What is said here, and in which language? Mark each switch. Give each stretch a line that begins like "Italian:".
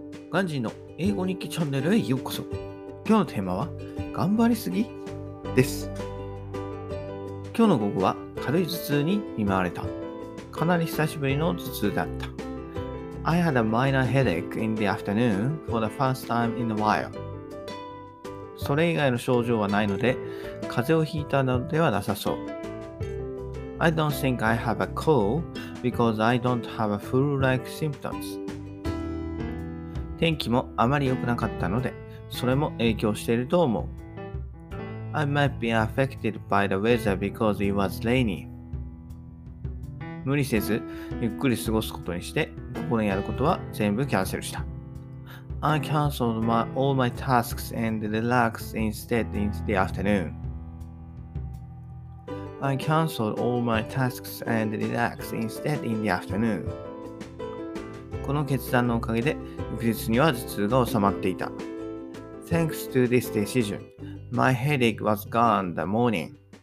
Japanese: ガンジーの英語日記チャンネルへようこそ。今日のテーマは頑張りすぎです。今日の午後は軽い頭痛に見舞われた。かなり久しぶりの頭痛だった。
English: I had a minor headache in the afternoon for the first time in a while。
Japanese: それ以外の症状はないので風邪をひいたのではなさそう。
English: I don't think I have a cold because I don't have flu-like symptoms。
Japanese: 天気もあまり良くなかったので、それも影響していると思う。
English: I might be affected by the weather because it was rainy。
Japanese: 無理せず、ゆっくり過ごすことにして、ここにやることは全部キャンセルした。
English: I cancelled all my tasks and relaxed instead in the afternoon。 I cancelled all my tasks and relaxed instead in the afternoon。
Japanese: この決断のおかげで翌日には頭痛が収まっていた。
English: Thanks to this decision, my headache was gone the morning。